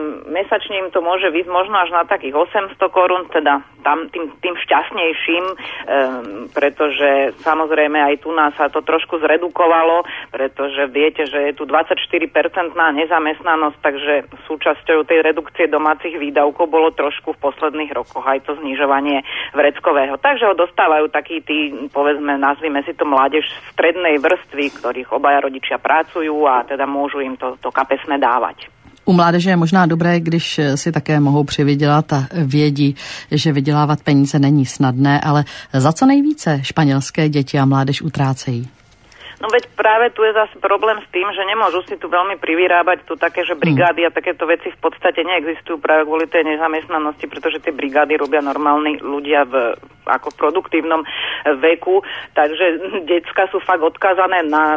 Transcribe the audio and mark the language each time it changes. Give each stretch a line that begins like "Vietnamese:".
Slovak: Mesačne im to môže vyjsť možno až na takých 800 korún, teda tam tým šťastnejším, pretože samozrejme aj tu nás sa to trošku zredukovalo, pretože viete, že je tu 24% nezamestnanosť, takže súčasťou tej redukcie domácich výdavkov bolo trošku v posledných rokoch aj to znižovanie vreckového. Takže ho dostávajú takí tí, povedzme, nazvime si to mládež strednej vrstvy, ktorých obaja rodičia pracujú a teda môžu im to kapesné dávať.
Czech: U mládeže je možná dobré, když si také mohou přivydělat a vědí, že vydělávat peníze není snadné, ale za co nejvíce španělské děti a mládež utrácejí?
Slovak: No veď práve tu je zase problém s tým, že nemôžu si tu veľmi privyrábať tu také, že brigády a takéto veci v podstate neexistujú práve kvôli tej nezamestnanosti, pretože tie brigády robia normálni ľudia ako v produktívnom veku, takže decka sú fakt odkázané